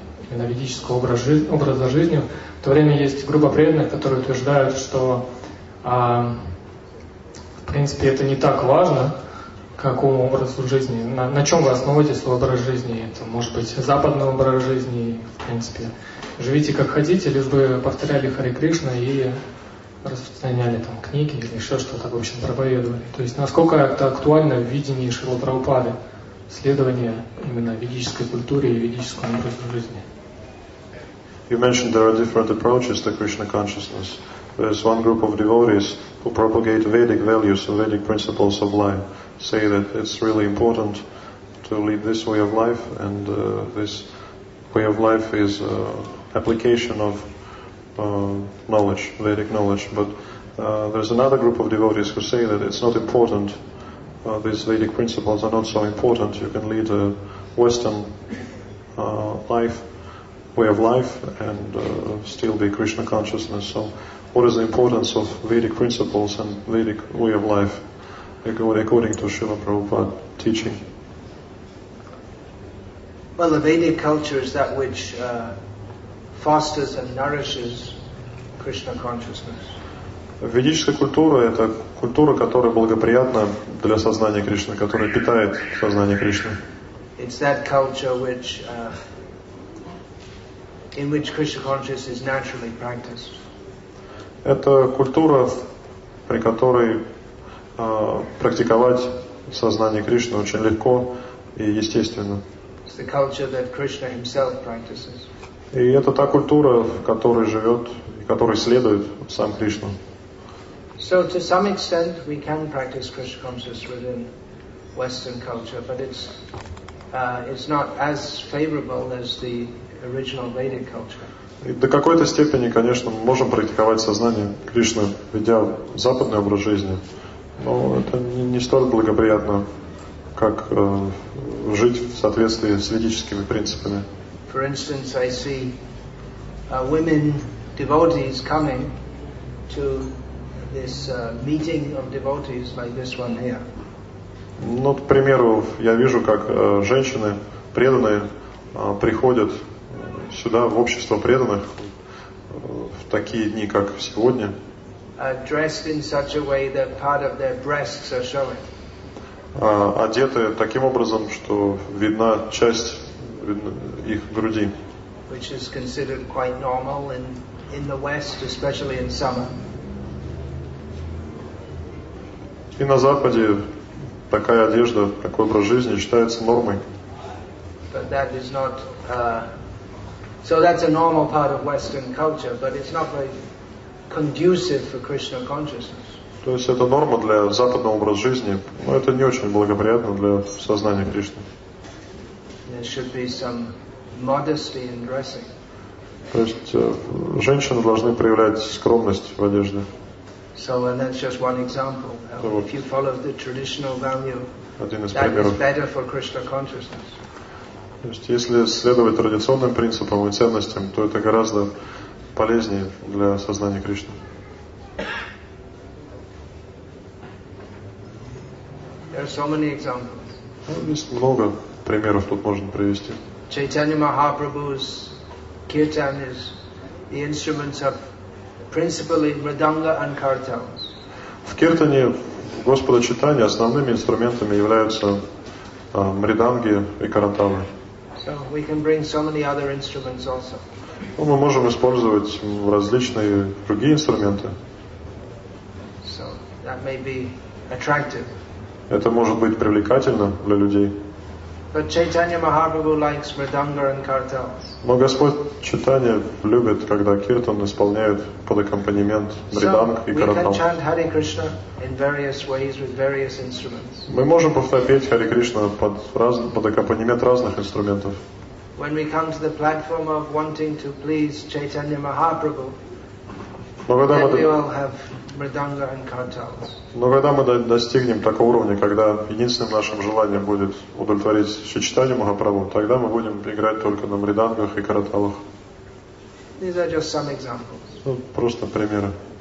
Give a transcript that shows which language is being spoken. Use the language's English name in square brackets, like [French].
[Russian] именно ведического образа жизни. В то время есть группа преданных, которые утверждают, что в принципе это не так важно, какому образу жизни, на чем вы основываете свой образ жизни, это может быть западный образ жизни, в принципе. Живите как хотите, лишь бы повторяли Харе Кришна и распространяли там книги или еще что-то, в общем, проповедовали. То есть насколько это актуально в видении Шрилы Прабхупады, следование именно ведической культуре и ведическому образу жизни. [English] You mentioned there are different approaches to Krishna consciousness. There is one group of devotees who propagate Vedic values and Vedic principles of life. Say that it's really important to lead this way of life, and this way of life is application of knowledge, Vedic knowledge. But there's another group of devotees who say that it's not important, these Vedic principles are not so important. You can lead a Western life, way of life, and still be Krishna consciousness. So what is the importance of Vedic principles and Vedic way of life? According to Srila Prabhupada's teaching. Well, the Vedic culture is that which fosters and nourishes Krishna consciousness. [Russian] Ведическая культура — это культура, которая благоприятна для сознания Кришны, которая питает сознание Кришны. [English] It's that culture which in which Krishna consciousness is naturally practiced. [Russian] Это культура, при которой практиковать сознание Кришны очень легко и естественно. [English] It's the culture that Krishna himself practices. [Russian] И это та культура, в которой живет, и которой следует сам Кришна. [English] So to some extent we can practice Krishna consciousness within Western culture, but it's not as favorable as the original Vedic culture. [Russian] И до какой-то степени, конечно, мы можем практиковать сознание Кришны, ведя западный образ жизни, но это не столь благоприятно, как жить в соответствии с ведическими принципами. [English] For instance, I see women devotees coming to this meeting of devotees like this one here. [Russian] Ну, к примеру, я вижу, как женщины преданные приходят сюда, в общество преданных, в такие дни, как сегодня. [English] Dressed in such a way that part of their breasts are showing. [Russian] Одеты таким образом, что видна часть их груди. [English] Which is considered quite normal in the West, especially in summer. [Russian] И на Западе такая одежда, такой образ жизни считается нормой. [English] But that is not, so that's a normal part of Western culture, but it's not very conducive for Krishna consciousness. [Russian] То есть это норма для западного образа жизни, но это не очень благоприятно для сознания Кришны. [English] There should be some modesty in dressing. [Russian] То есть женщины должны проявлять скромность в одежде. [English] So and that's just one example. Вот. If you follow the traditional value, [Russian] один из [English] that [Russian] примеров. [English] Is better for Krishna consciousness. [Russian] То есть, если следовать традиционным принципам и ценностям, то это гораздо полезнее для сознания Кришны. [English] There are so many examples. [Russian] Ну, есть много примеров, тут можно привести. [English] Chaitanya Mahaprabhu's kirtan is the instruments of principally mridanga and kartals. [Russian] В киртане Господа Чайтаньи основными инструментами являются мриданги и карантамы. [English] So we can bring so many other instruments also. [Russian] Ну, мы можем использовать различные другие инструменты. [English] So that may be attractive. [Russian] Это может быть привлекательно для людей. [English] But Chaitanya Mahaprabhu likes mridanga and kartals. [Russian] Но Господь Чайтанья любит, когда киртан исполняют под аккомпанемент мриданг и картал. [English] So we can chant Hare Krishna in various ways with various instruments. [Russian] Мы можем повторить Hare Krishna под аккомпанемент разных инструментов. [English] When we come to the platform of wanting to please Chaitanya Mahaprabhu, then we all have mridanga and kartals. [Russian] Но когда мы достигнем такого уровня, когда единственным нашим желанием будет удовлетворить Шри Чайтанья Махапрабху, тогда мы будем играть только на мридангах и караталах. [English] These are just some examples. [Russian] Ну, просто примеры.